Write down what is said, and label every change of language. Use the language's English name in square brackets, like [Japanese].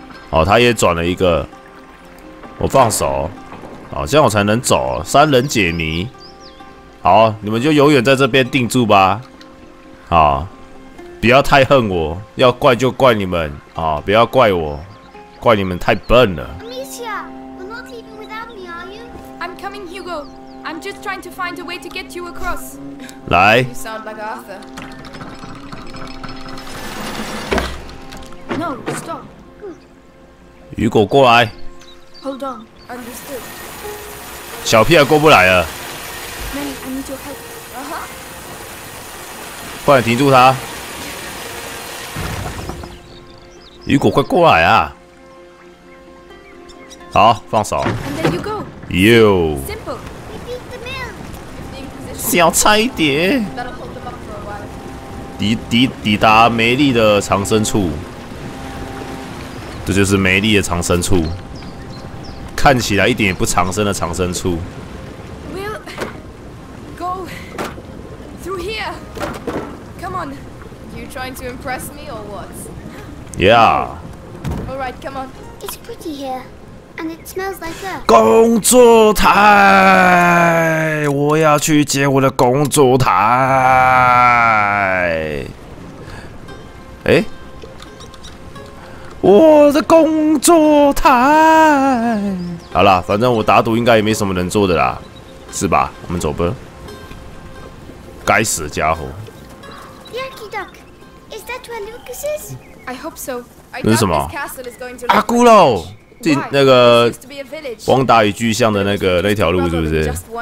[Chinese] 哦，他也转了一个，我放手，好、哦，这样我才能走。三人解谜，好，你们就永远在这边定住吧。好、哦，不要太恨我，要怪就怪你们啊、哦，不要怪我，怪你们太笨了。 [English] Amicia, you're not leaving without me, are you? I'm coming, Hugo. I'm just trying to find a way to get you across. [Chinese] 来。 [English] You sound like Arthur. No, stop. [Chinese] 雨果过来。 [English] Hold on, understood. [Chinese] 小屁孩过不来了。 [English] Melly, I need your help. [Chinese] Uh-huh. 快点停住他。雨果快过来啊！好，放手。 [English] And there you go. Yo. Simple. It beat the mill. [Chinese] 小差一点。 [English] That'll hold them up for a while. [Chinese] 抵达美丽的藏身处。这就是美丽的藏身处，看起来一点也不藏身的藏身处。 [English] We'll go through here. Come on, you trying to impress me or what? Yeah. All right, come on. It's pretty here, and it smells like earth. [Chinese] 工作台，我要去接我的工作台。我的工作台，好啦，反正我打赌应该也没什么能做的啦，是吧？我们走吧。该死的家伙！ [English] The Archiduck, is that where Lucas is? I hope so. [Chinese] 那是什么？阿姑喽，进那个汪大与巨像的那条路是不是？